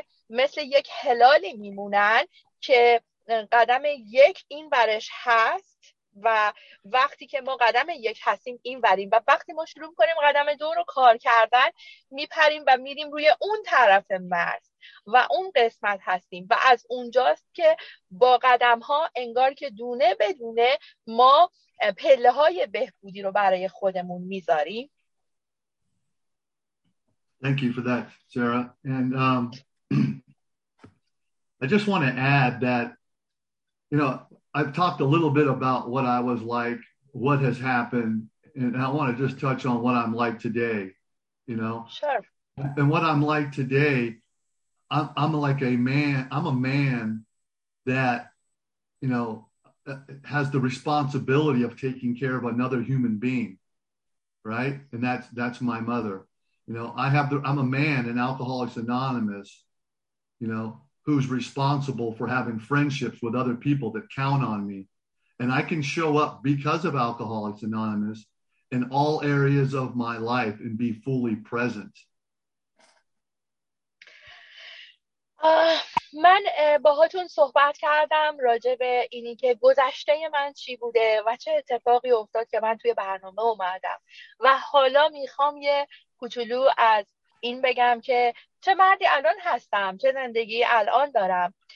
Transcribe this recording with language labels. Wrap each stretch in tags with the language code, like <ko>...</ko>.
<fa>مثل یک هلالی میمونن که قدم یک این برش هست و وقتی که ما قدم یک هستیم این وریم و وقتی ما شروع کنیم قدم دو رو کار کردن میپریم و میریم روی اون طرف مرز و اون قسمت هستیم و از اونجاست که با قدم ها انگار که دونه به دونه ما پله های بهبودی رو برای خودمون میذاریم.</fa> <en>Thank you for that, Sarah. And I just want to add that, you know, I've talked a little bit about what I was like, what has happened, and I want to just touch on what I'm like today, you know? Sure. And what I'm like today, I'm like a man, I'm a man that, you know, has the responsibility of taking care of another human being, right? And that's my mother. You know, I'm a man in Alcoholics Anonymous, you know, who's responsible for having friendships with other people that count on me. And I can show up because of Alcoholics Anonymous in all areas of my life and be fully present.</en> <fa>من باهاتون صحبت کردم راجع به اینی که گذشته من چی بوده و چه اتفاقی افتاد که من توی برنامه اومدم و حالا میخوام یه کوچولو از این بگم که چه مردی الان هستم، چه زندگی الان دارم.</fa>